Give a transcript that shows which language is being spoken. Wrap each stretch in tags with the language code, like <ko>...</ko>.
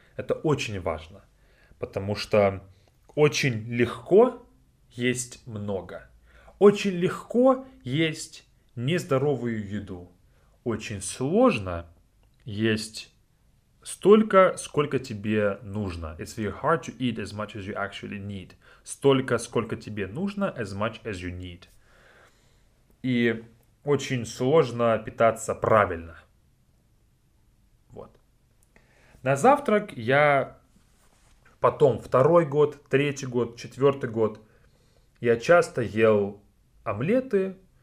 <ru>Это очень важно. Потому что очень легко есть много. Очень легко есть нездоровую еду. Очень сложно есть столько, сколько тебе нужно.</ru> <en>It's very hard to eat as much as you actually need.</en> <ru>Столько, сколько тебе нужно,</ru> <en>as much as you need.</en> <ru>И очень сложно питаться правильно. Вот. На завтрак я потом, второй год, третий год, четвертый год, я часто ел омлеты.</ru>